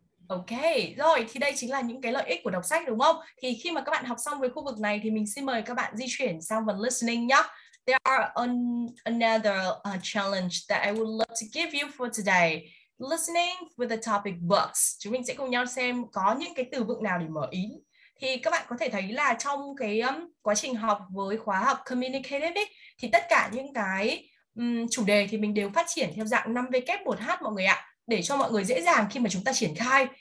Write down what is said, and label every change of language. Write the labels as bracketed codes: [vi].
[vi] Ok, rồi thì đây chính là những cái lợi ích của đọc sách đúng không? Thì khi mà các bạn học xong với khu vực này thì mình xin mời các bạn di chuyển sang phần listening nhé. [en] There are another challenge that I would love to give you for today. Listening with the topic books. [vi] Chúng mình sẽ cùng nhau xem có những cái từ vựng nào để mở ý. Thì các bạn có thể thấy là trong cái quá trình học với khóa học Communicative ấy, thì tất cả những cái chủ đề thì mình đều phát triển theo dạng 5W1H mọi người ạ, để cho mọi người dễ dàng khi mà chúng ta triển khai.